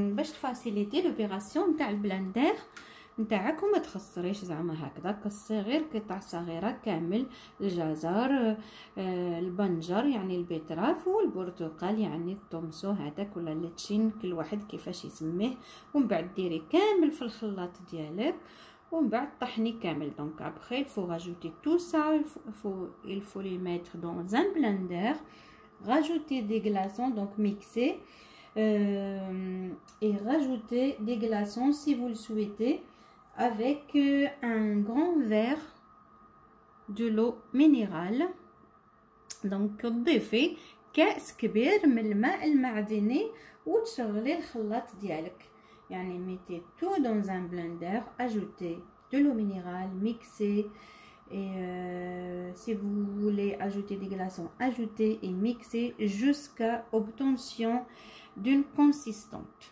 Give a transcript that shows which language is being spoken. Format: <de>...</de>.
<ar>تفاسيليتي l'opération تاع البلندر نتاعك, وما تخسريش زعما هكذا, قصي غير قطع صغيره كامل, الجزر البنجر يعني البيتراف والبرتقال يعني الطومسو هذاك ولا اللتشين, كل واحد كيفاش يسميه, ومن بعد ديري كامل في الخلاط ديالك, ومن بعد طحني كامل.</ar> <fr>دونك ابخي فو راجوتي تو سا, فو il faut les mettre dans un blender, rajouter des glaçons, donc mixer Et rajoutez des glaçons si vous le souhaitez avec un grand verre de l'eau minérale.</fr> <ar>Donc, ضيفي كأس كبير من الماء المعدني وتشغلي الخلاط ديالك.</ar> <fr>يعني mettez tout dans un blender, ajoutez de l'eau minérale, mixez. Et si vous voulez ajouter des glaçons, ajoutez et mixez jusqu'à obtention d'une consistance.</fr>